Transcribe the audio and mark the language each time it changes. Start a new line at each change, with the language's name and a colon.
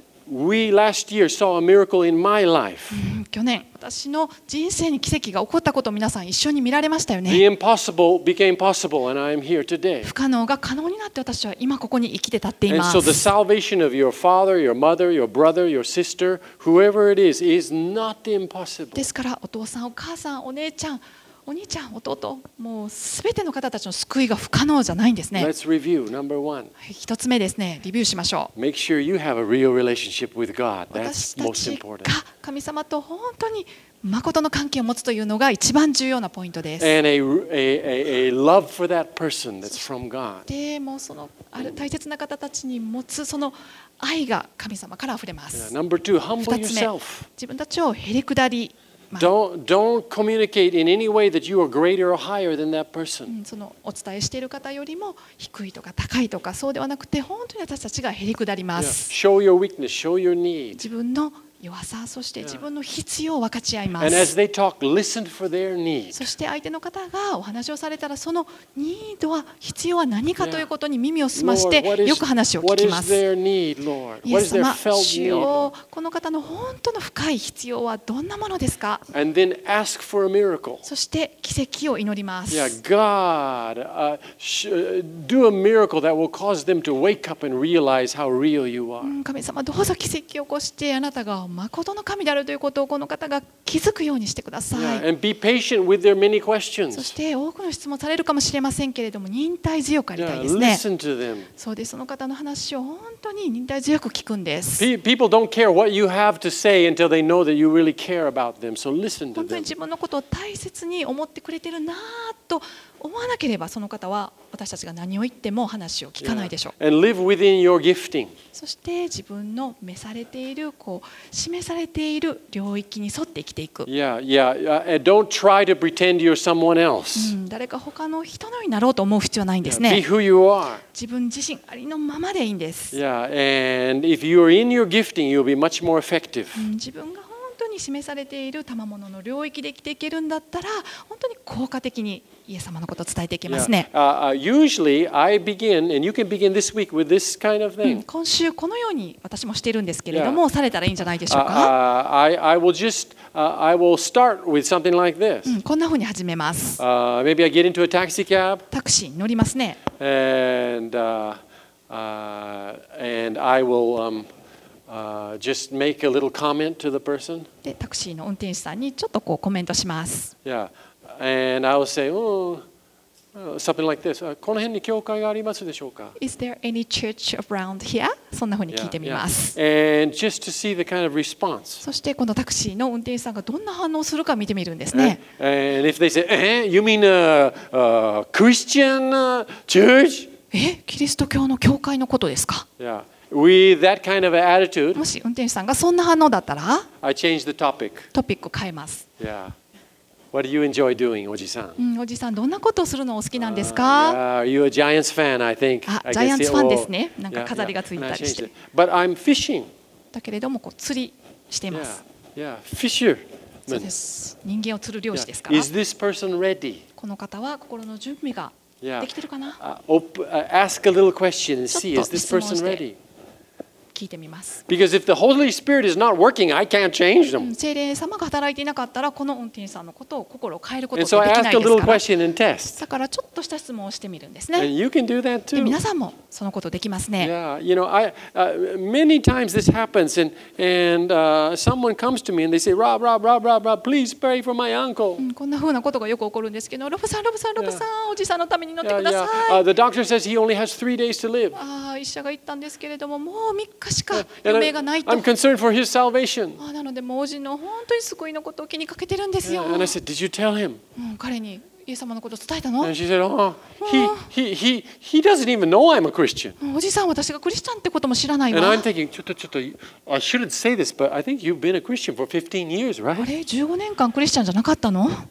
English: We last year saw a miracle in my life.
Japanese: 去年私の人生に奇跡が起こったことを皆さん一緒に見られましたよね。
English: The impossible became possible, and I'm here today.
Japanese: 不可能が可能になって私は今ここに生きて立っています。
English: And so the salvation of your father, your mother, your brother, your sister, whoever it is not impossible.
Japanese: ですからお父さんお母さんお姉ちゃんお兄ちゃん弟もうすべての方たちの救いが不可能じゃないんですね。
English: Let's review number one.
Japanese: 一つ目ですね。リビューしましょう。
English: Make sure you have a real relationship with God. That's most important.
Japanese: 私たちが神様と本当に誠の関係を持つというのが一番重要なポイントです。
English: And a love for that person that's from God.
Japanese: でもそのある大切な方たちに持つその愛が神様から溢れます。
English: Number two, humble yourself.
Japanese: 自分たちをへりくだり。
English: Don't communicate in any way that you are greater or higher than that person.
Japanese: そのお伝えしている方よりも低いとか高いとかそうではなくて本当に私たちがへりくだります。
English: Show your weakness, show your need.
Japanese: 自分の弱さそして自分の必要を分かち合います。
English: And as they talk, listen for their need.
Japanese: そして相手の方がお話をされたらそのニードは必要は何かということに耳を澄ましてよく話を聞きます。
English: What is their need, Lord? What is their felt need?
Japanese: イエス様、この方の本当の深い必要はどんなものですか？
English: And then ask for a miracle.
Japanese: そして奇跡を祈ります。
English: Yeah, God, do a miracle that will cause them to wake up and realize how real you are.
Japanese: 神様、どうぞ奇跡を起こしてあなたが誠の神であるということをこの方が気づくようにしてください。
English: And be patient with their many questions.
Japanese: そして多くの質問されるかもしれませんけれども忍耐強くありたいですね。
English: Listen to them.
Japanese: そうです。その方の話を本当に忍耐強く聞くんです。
English: People don't care what you have to say until they know that you really care about them. So listen to them.
Japanese: 本当に自分のことを大切に思ってくれてるなと思わなければその方は私たちが何を言っても話を聞かないでしょう。
English: And live within your gifting.
Japanese: そして自分の召されているこう示されている領域に沿って生きていく。
English: Don't try to pretend you're someone else.
Japanese: 誰か他の人のようになろうと思う必要はないんですね。
English: Yeah. Be who you are.
Japanese: 自分自身ありのままでいいんです。
English: Yeah. And if you're in your gifting, you'll be much more effective.
Japanese: 自分が本当に示されている賜物の領域で生きていけるんだったら本当に効果的にイエス様のことを伝えていけますね。
English: Usually I begin and you can begin this week with this kind of thing.
Japanese: 今週このように私もしているんですけれども、されたらいいんじゃないでしょうか。
English: I will start with something like this.
Japanese: こんな風に始めます。
English: Maybe I get into a taxi cab.
Japanese: タクシーに乗りますね。
English: And I will just make a little comment to the person.
Japanese: でタクシーの運転手さんにちょっとこうコメントします。
English: Yeah, and I will say, oh, something like this.
Japanese: この辺に教会がありますでしょうか。
English: Is there any church around here?
Japanese: そんな風に聞いてみます。
English: And just to see the kind of response.
Japanese: そしてこのタクシーの運転手さんがどんな反応するか見てみるんですね。
English: And if they say, you mean a Christian church?
Japanese: キリスト教の教会のことですか。
English: Yeah. With that kind of attitude,
Japanese: もし運転手さんがそんな反応だったら、
English: I change the topic.
Japanese: トピックを変えます。
English: Yeah. What do you enjoy doing, おじさん？
Japanese: おじさんどんなことをするのお好きなんですか？
English: Are you a Giants fan? I think.
Japanese: ジャイアンツファンですね。なんか飾りがついたりして。
English: But I'm fishing.
Japanese: だけれどもこう釣りしています。
English: Yeah. Fisher.
Japanese: そうです。人間を釣る漁師ですか？
English: Yeah. Is this person ready?
Japanese: この方は心の準備ができてるかな？
English: Ask a little question and see is this person ready?
Japanese: 聞いてみます。
English: Because if the Holy Spirit is not working, I can't change them.
Japanese: 聖霊様が働いていなかったら、この運転手さんのことを心を変えることができないですから。
English: And so I ask a little question and test.
Japanese: だからちょっとした質問をしてみるんですね。
English: And you can do that too.
Japanese: 皆さんもそのことできますね。
English: Yeah, you know, many times this happens, and someone comes to me and they say, Rob, please pray for my uncle.
Japanese: こんな風なことがよく起こるんですけど、ロブさん、おじさんのために祈ってください。
English: The doctor says he only has 3 days to live.
Japanese: 医者が言ったんですけれども、もう3日しか余命がないと。
English: I'm concerned for his salvation.
Japanese: なので、もうおじの本当に救いのことを気にかけてるんですよ。
English: And I said, Did you tell him?
Japanese: 彼にイエス様のことを伝えたの？
English: And she said, oh, he doesn't even know I'm a Christian.
Japanese: おじさん、私がクリスチャンってことも知らないわ。
English: And I'm thinking, ちょっと I shouldn't say this, but I think you've been a Christian for 15 years, right?
Japanese: あれ、15年間クリスチャンじゃなかったの？